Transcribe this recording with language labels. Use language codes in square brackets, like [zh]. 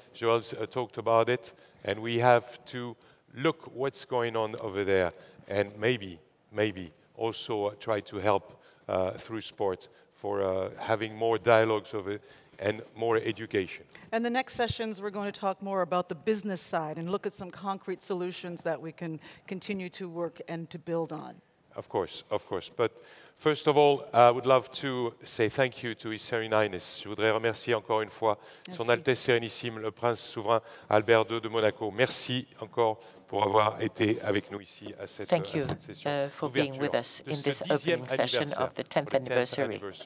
[en] Joel's talked about it, and we have to look what's going on over there, and maybe also try to help through sport for having more dialogues over and more education. And the next sessions, we're going to talk more about the business side and look at some concrete solutions that we can continue to work and to build on. Of course, but first of all, I would love to say thank you to His Serenitas. [fr] Je voudrais remercier encore une fois Son Altesse Sérénissime, le Prince Souverain Albert II de Monaco. Merci encore pour avoir été avec nous ici à cette session. [en] Thank you for being with us in this opening session of the 10th anniversary.